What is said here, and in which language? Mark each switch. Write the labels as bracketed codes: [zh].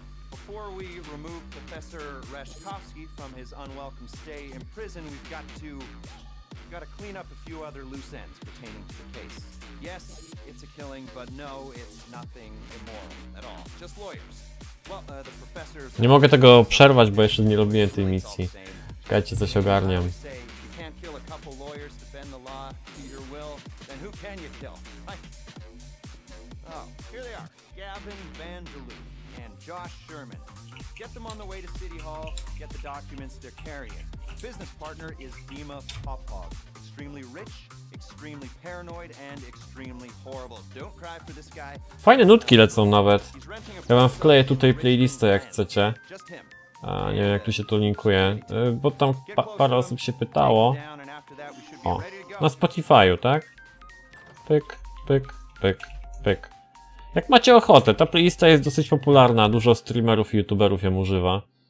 [en] Before we remove Professor Reshkovsky from his unwelcome stay in prison, we've got to clean up a few other loose ends pertaining to the case. Yes, it's a killing, but no, it's nothing immoral at all. Just lawyers. Well, the professor. [pl] Nie mogę tego przerwać, bo jeszcze nie robiłem tej misji. Czekajcie, coś ogarniam. [en] You can't kill a couple lawyers to bend the law to your will, then who can you kill? Oh, here they are. Gavin Van Deloo. And Josh Sherman. Get them on the way to City Hall, get the documents they're carrying. Business partner is Dima Popov. Extremely rich, extremely paranoid and extremely horrible. Don't cry for this guy. [pl] Fajne nutki lecą nawet. Ja wam wkleję tutaj playlistę, jak chcecie. A nie wiem, jak tu się to linkuje. Bo tam parę osób się pytało. O, na Spotify'u, tak? Pyk, pyk, pyk, pyk. Jak macie ochotę, ta playlista jest dosyć popularna, dużo streamerów i youtuberów ją używa.